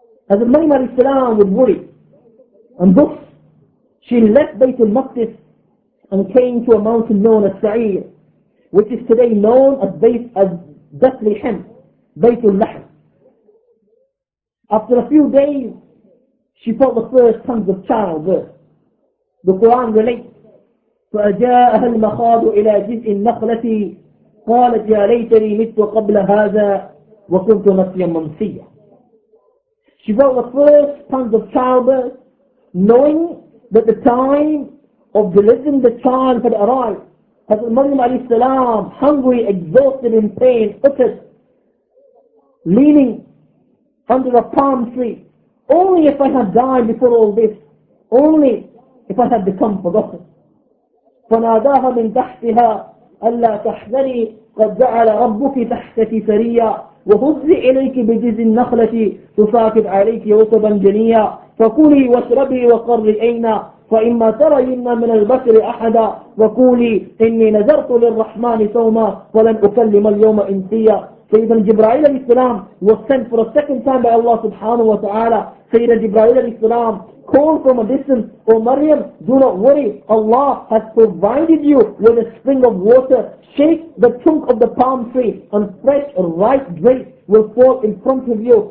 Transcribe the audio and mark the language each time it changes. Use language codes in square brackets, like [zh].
[en] Hazrat Maryam alayhi salam would worry. And thus, she left Baytul Maqdis and came to a mountain known as Sa'ir, which is today known as Bethlehem, Baytul Lahm. After a few days, she felt the first pangs of childbirth. The Quran relates, [ar] فَأَجَاءَهَا الْمَخَاضُ إِلَىٰ جِزْءِ النَّخْلَةِ قَالَتْ يَا لَيْتَنِي مِتُّ قَبْلَ هَذَا وَكُنْتُ نَسْيًا مَنْسِيًا. [en] She felt the first pangs of childbirth, knowing that the time of delivering the child had arrived. Hazrat Maryam alayhi salam, hungry, exhausted in pain, uttered, leaning under a palm tree, only if I had died before all this, only if I had become forgotten. [ar] فَنَادَاهَا مِنْ تَحْتِهَا أَلَّا تَحْذَرِي قَدْ جَعَلَ رَبُّكِ تَحْتَكِ سَرِيًّا وَهُزِّي إِلَيْكِ بِجِذِ النَّخْلَةِ تُسَاكِدْ عَلَيْكِ رُطُبًا جَنِيًّا فَكُلِي وَاشْرَبِي وَقَرِّي عَيْنًا فإما ترين من البشر أحدا وقولي إني نذرت للرحمن صوما ولن أكلم اليوم إنسيا. [en] سيدنا جبرائيل عليه السلام was sent for a second time by Allah subhanahu wa ta'ala. سيدنا جبرائيل عليه السلام called from a distance, O Maryam, do not worry, Allah has provided you with a spring of water. Shake the trunk of the palm tree and fresh ripe grapes will fall in front of you.